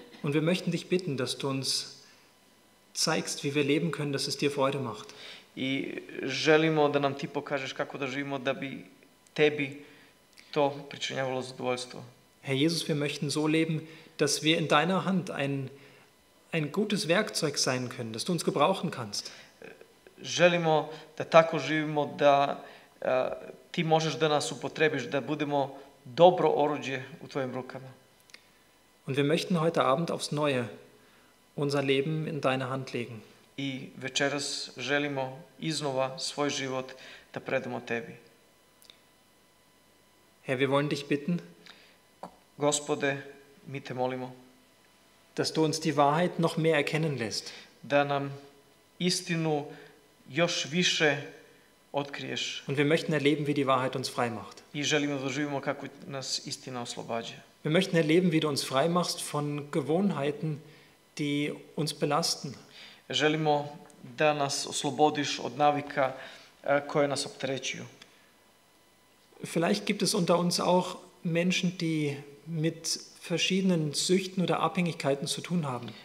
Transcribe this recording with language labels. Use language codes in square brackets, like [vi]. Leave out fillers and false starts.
[de] Und wir möchten dich bitten, dass du uns zeigst, wie wir leben können, dass es dir Freude macht. [sr] I želimo da nam ti pokažeš kako da živimo da bi tebi to pričinjavalo zadovoljstvo. [de] Herr Jesus, wir möchten so leben, dass wir in deiner Hand ein gutes Werkzeug sein können, das du uns gebrauchen kannst. [sr] Želimo da tako živimo da ti možeš da nas upotrebiš, da budemo dobro oruđe u tvojim rukama. [de] Und wir möchten heute Abend aufs Neue unser Leben in deine Hand legen. [sr] I večeras želimo iznova svoj život da predamo tebi. [de] Herr, wir wollen dich bitten, [sr] Gospode, mi te molimo, [de] dass du uns die Wahrheit noch mehr erkennen lässt, [sr] da nam istinu još više otkriješ. [de] Und wir möchten erleben, wie die Wahrheit uns frei macht. [sr] I želimo da živimo kako nas istina oslobađa. [de] Wir möchten erleben, wie du uns frei machst von Gewohnheiten, die uns belasten. [sr] Želimo da nas oslobodiš od navika koje nas opterećuju. [de] Vielleicht gibt es unter uns auch Menschen, die mit verschiedenen Süchten oder Abhängigkeiten zu tun haben.